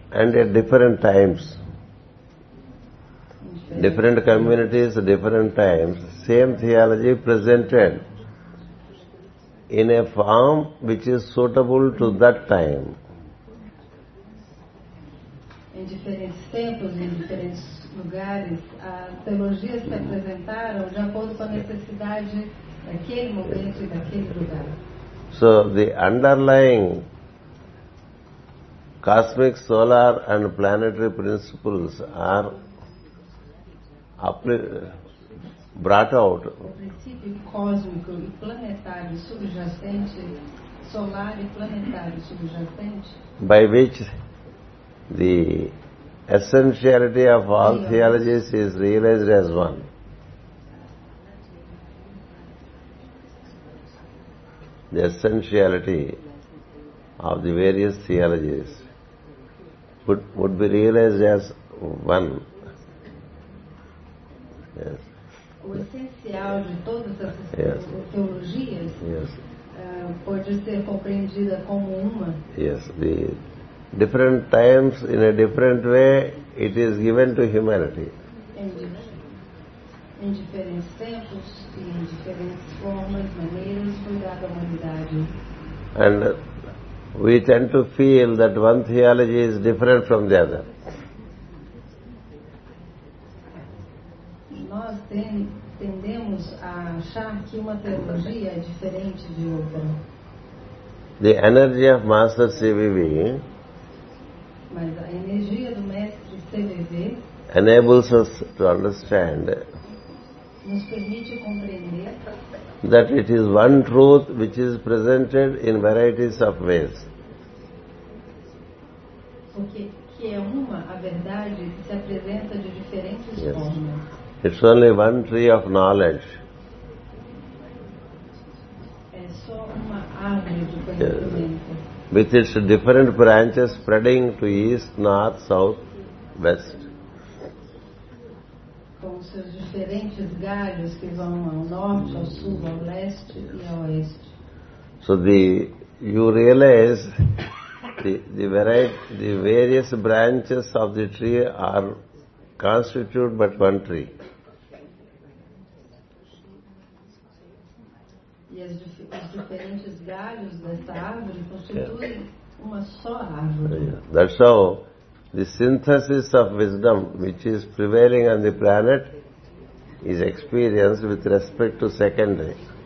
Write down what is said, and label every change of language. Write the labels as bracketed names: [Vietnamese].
[English] And at different times, different communities, different times, same theology presented in a form which is suitable to that time. [Portuguese] Em diferentes tempos, em diferentes lugares, as teologias se apresentaram de acordo com a necessidade daquele momento e daquele lugar. [English] So the underlying cosmic, solar and planetary principles are brought out. [Portuguese] O princípio cósmico e planetário subjacente, solar e planetário subjacente, [English] by which the essentiality of all theologies is realized as one. The essentiality of the various theologies would be realized as one. Yes. [Portuguese] O essencial de todas essas teologias, [English] yes, [Portuguese] pode ser compreendida como uma. [English] Yes, the different times in a different way it is given to humanity. [Portuguese] Em diferentes tempos e em diferentes formas, maneiras, foi dada à humanidade. [English] And we tend to feel that one theology is different from the other. [Portuguese] Nós tendemos a achar que uma teologia é diferente de outra. [English] The energy of Master CVV, [Portuguese] mas a energia do Mestre CVV, [English] enables us to understand, [Portuguese] nos permite compreender, [English] that it is one truth which is presented in varieties of ways. [Portuguese] Que é uma, a verdade que se apresenta de diferentes, [English] yes, [Portuguese] formas. [English] It's only one tree of knowledge. [Portuguese] É só uma árvore de conhecimento. [English] Yes. With its different branches spreading to east, north, south, west. [Portuguese] Com seus diferentes galhos que vão ao norte, ao sul, ao leste, yes, e ao oeste. [English] So you realize the various branches of the tree are constituted but one tree. [Portuguese] Yes, os diferentes galhos dessa árvore constituem uma só árvore. [English] That's how the synthesis of wisdom which is prevailing on the planet is experienced with respect to secondary.